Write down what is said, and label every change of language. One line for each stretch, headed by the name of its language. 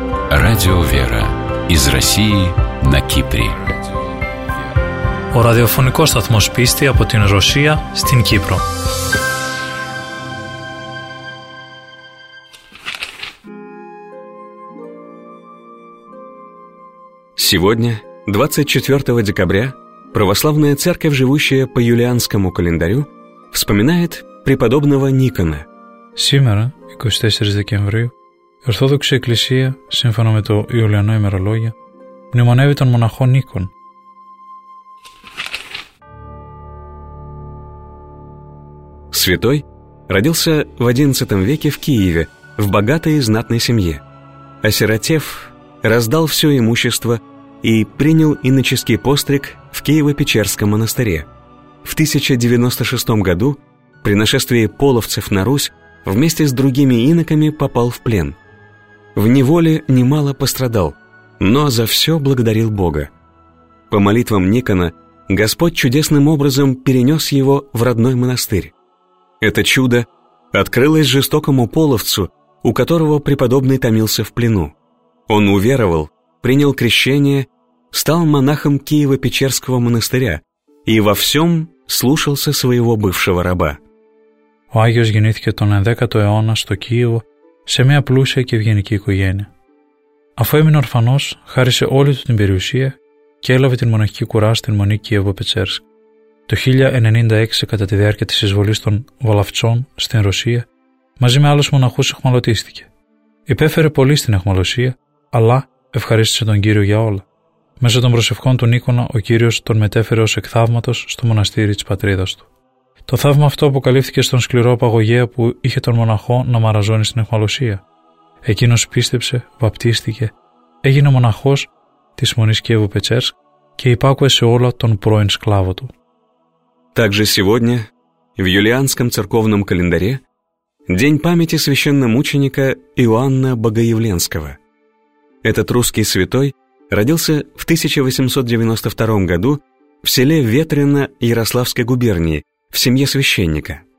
Russian: Радио «Вера» из России на Кипре.
Greek: Ο ραδιοφωνικός σταθμός πίστη από την Ρωσία στην Κύπρο.
Russian: Сегодня, 24 декабря, православная церковь, живущая по юлианскому календарю, вспоминает преподобного Никона. Сегодня, 24 декабря,
Greek: Ορθόδοξη Εκκλησία, σύμφωνα με το Ιουλιανό ημερολόγιο, μνημονεύει τον μοναχό Νίκον.
Russian: Святой родился в XI веке в Киеве, в богатой и знатной семье. Осиротев, раздал все имущество и принял иноческий постриг в Киево-Печерском монастыре. В 1096 году, при нашествии половцев на Русь, вместе с другими иноками попал в плен. В неволе немало пострадал, но за все благодарил Бога. По молитвам Никона, Господь чудесным образом перенес его в родной монастырь. Это чудо открылось жестокому половцу, у которого преподобный томился в плену. Он уверовал, принял крещение, стал монахом Киево-Печерского монастыря и во всем слушался своего бывшего раба.
Greek: Ο Άγιος γεννήθηκε τον 10ο αιώνα στο Κίεβο σε μια πλούσια και ευγενική οικογένεια. Αφού έμεινε ορφανός, χάρισε όλη του την περιουσία και έλαβε την μοναχική κουρά στην μονή Κίεβο-Πετσέρσκ. Το 1096, κατά τη διάρκεια της εισβολής των Βολαυτσών στην Ρωσία, μαζί με άλλους μοναχούς εχμαλωτίστηκε. Υπέφερε πολύ στην εχμαλωσία, αλλά ευχαρίστησε τον Κύριο για όλα. Μέσω των προσευχών του Νίκονα, ο Κύριος τον μετέφερε ως εκ θαύματος στο μοναστήρι της πατρίδας του. Το θαύμα αυτό αποκαλύφθηκε στον σκληρό παγωγέα που είχε τον μοναχό να μαραζώνει στην εχμαλωσία. Εκείνος πίστεψε, βαπτίστηκε, έγινε μοναχός της μονής Κίεβο-Πετσέρσκ και υπάκουε σε όλα τον πρώην σκλάβο του.
Russian: Также сегодня в юлианском церковном календаре день памяти священномученика Иоанна Богоявленского. Этот русский святой родился в 1892 году в селе Ветрино Ярославской губернии, в семье священника.